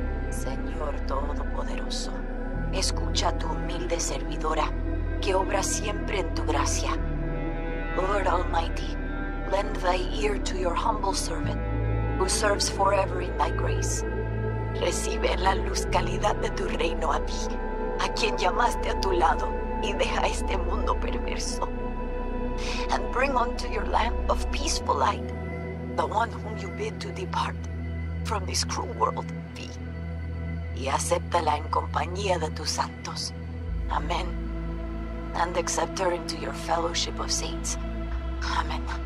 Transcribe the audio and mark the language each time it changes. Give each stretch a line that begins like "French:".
Spanish: Señor Todopoderoso, escucha tu humilde servidora. Que obra siempre en tu gracia.
English: Lord Almighty, lend thy ear to your humble servant, who serves forever in thy grace.
Spanish: Recibe la luz calidad de tu reino a ti, a quien llamaste a tu lado, y deja este mundo perverso.
English: And bring unto your lamp of peaceful light, the one whom you bid to depart from this cruel world, thee.
Spanish: Y acéptala en compañía de tus santos. Amen.
English: And accept her into your fellowship of saints. Amen.